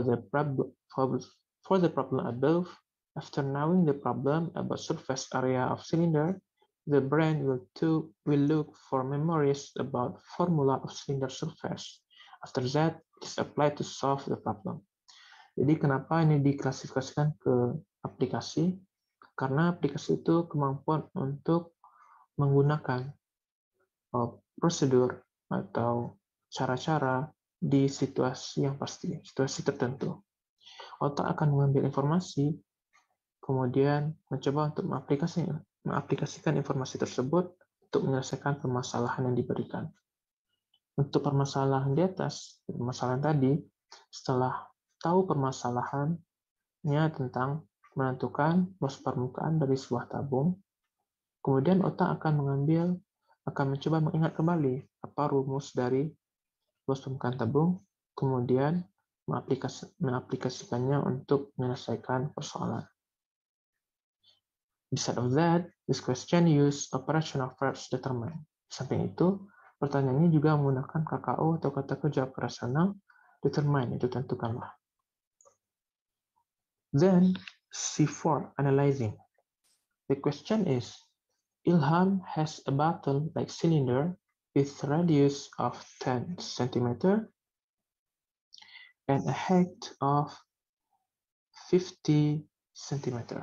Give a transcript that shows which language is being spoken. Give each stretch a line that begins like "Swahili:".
English: For the problem above, after knowing the problem about surface area of cylinder, the brain will look for memories about formula of cylinder surface. After that, it's applied to solve the problem.
Indonesian: Jadi kenapa ini diklasifikasikan ke aplikasi? Karena aplikasi itu kemampuan untuk menggunakan prosedur atau cara-cara di situasi yang pasti, situasi tertentu. Otak akan mengambil informasi, kemudian mencoba untuk mengaplikasikan informasi tersebut untuk menyelesaikan permasalahan yang diberikan. Untuk permasalahan di atas, permasalahan tadi, setelah tahu permasalahannya tentang menentukan luas permukaan dari sebuah tabung, kemudian otak akan mencoba mengingat kembali apa rumus dari luas permukaan tabung, kemudian mengaplikasikannya untuk menyelesaikan persoalan.
English: Beside of that, this question uses operational verbs determine.
Indonesian: Samping itu, pertanyaannya juga menggunakan KKO atau kata kerja operasional determine, itu tentukanlah.
English: Then, C4, analyzing. The question is, Ilham has a bottle-like cylinder with radius of 10 cm and a height of 50 cm.